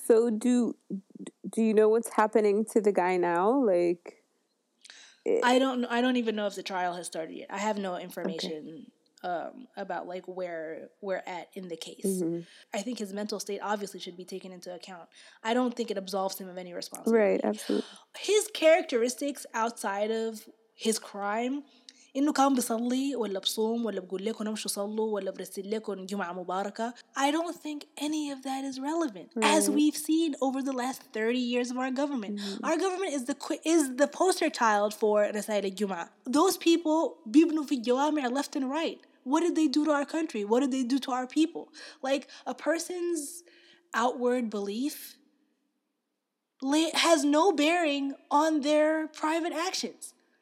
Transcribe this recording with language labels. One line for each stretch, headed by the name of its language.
English: So do you know what's happening to the guy now? Like, I don't even know if the trial has started yet. I have no information about, like, where we're at in the case. Mm-hmm. I think his mental state obviously should be taken into account. I don't think it absolves him of any responsibility. Right, absolutely. His characteristics outside of his crime,
Arabic: إنه كان بيصلي ولا بصوم ولا بقول لكم مش صلوا ولا برسل لكم جمعة مباركة,
English: I don't think any of that is relevant. Right. As we've seen over the last 30 years of our government, our government is the poster child for
Arabic: رسائل الجمعة.
English: Those people
Arabic: بيبنوا في الجوامع
English: left and right. What did they do to our country? What did they do to our people? Like, a person's outward belief has no bearing on their private actions.